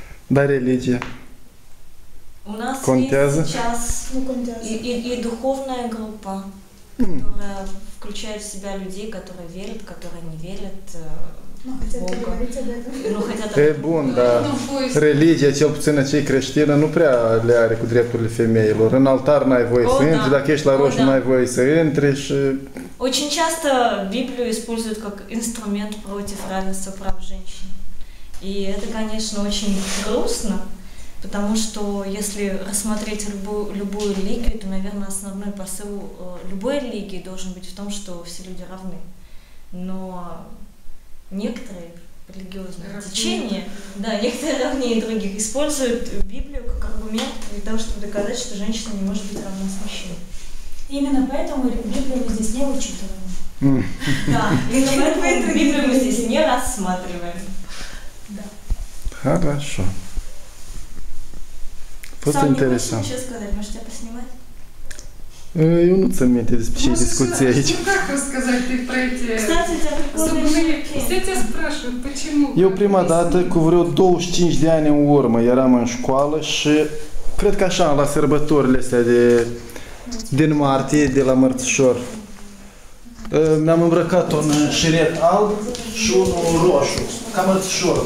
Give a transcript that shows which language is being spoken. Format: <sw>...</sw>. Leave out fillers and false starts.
<ru>Да, религия. У нас контяза. Есть сейчас и духовная группа, которая включает в себя людей, которые верят, которые не верят. Ну, хотят говорить об этом. Ну, хотят... Е, бун, да.</ru> <ro>Религия, cel puțin cei creștină, nu prea le are cu drepturile femeilor. În altar n-ai voie să intri, dacă ești la roșu, n-ai voie să intri și...</ro> <ru>Очень часто Библию используют как инструмент против равенства прав женщин. И это, конечно, очень грустно, потому Потому что если рассмотреть любую религию, то, наверное, основной посыл любой религии должен быть в том, что все люди равны. Но некоторые религиозные течения, да, некоторые равнее других, используют Библию как аргумент для того, чтобы доказать, что женщина не может быть равна с мужчиной. Именно поэтому Библию мы здесь не учитываем. Да, именно поэтому Библию мы здесь не рассматриваем. Хорошо. Просто интересно. Сам не хочешь ничего сказать, можешь тебя поснимать? И унуться мне эти спичи дискуссии. Ну, как рассказать ты про эти... Кстати, это прикольный шапки. Все тебя спрашивают, почему?</ru> <ro>Eu prima dată, cu vreo 25 de ani în urmă, eram în școală și cred că așa, la sărbătorile astea de din martie, de la mărțișor. Mi-am îmbrăcat un șiret alb și unul roșu, ca mărțișor.</ro>